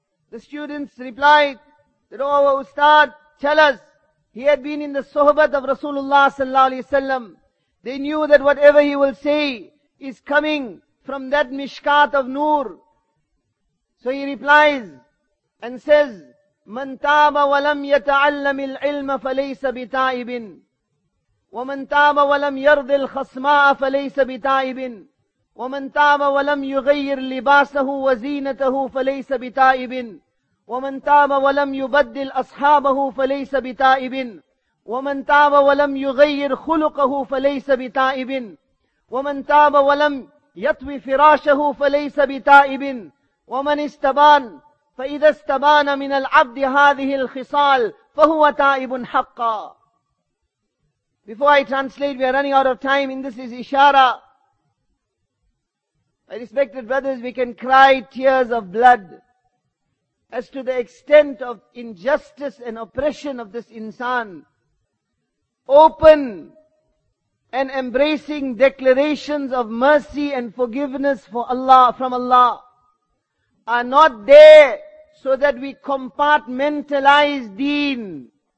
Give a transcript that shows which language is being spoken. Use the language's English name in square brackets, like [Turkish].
[English] The students replied that, O our ustad, tell us. He had been in the sohbat of Rasulullah sallallahu alayhi wasallam. They knew that whatever he will say is coming from that mishkat of nur. So he replies and says, [Arabic] من تاب ولم يتعلم العلم فليس بتائب ومن تاب ولم يرض الخصماء فليس بتائب ومن تاب ولم يغير لباسه وزينته فليس بتائب ومن تاب ولم يبدل أصحابه فليس بتائب ومن تاب ولم يغير خلقه فليس بتائب ومن تاب ولم يطوي فراشه فليس بتائب ومن استبان فإذا استبان من العبد هذه الخصال فهو تائب حقا. [English] Before I translate, we are running out of time. In this is Ishara. My respected brothers, we can cry tears of blood as to the extent of injustice and oppression of this insan. Open and embracing declarations of mercy and forgiveness for Allah, from Allah, are not there so that we compartmentalize deen.